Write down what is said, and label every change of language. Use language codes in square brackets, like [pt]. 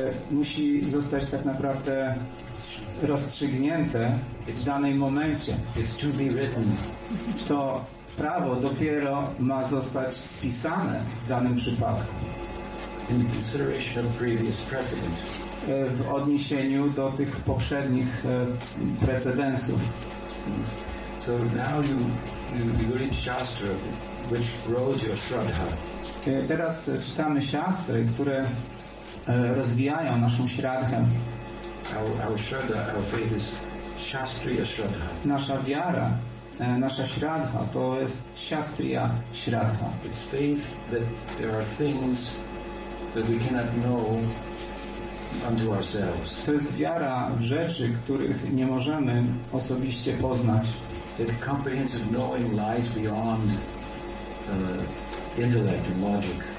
[pl] Musi zostać tak naprawdę rozstrzygnięte w danej momencie. [en] It's to be written. [pl] To prawo dopiero ma zostać spisane w danym przypadku. [en] In consideration of previous precedent. [pl] W odniesieniu do tych poprzednich precedensów. [en] So now you read Shastra, which grows your Shraddha. [pl] Teraz czytamy Shastry, które rozwijają naszą Shraddhę. [en] Our Shraddha, our faith is Shastriya Shraddha. [pl] Nasza wiara, nasza Shraddha, to jest Shastriya Shraddha. [en] It's faith that there are things that we cannot know unto ourselves. [pl] To jest wiara w rzeczy, których nie możemy osobiście poznać. [en] That comprehensive knowing lies beyond intellect and logic.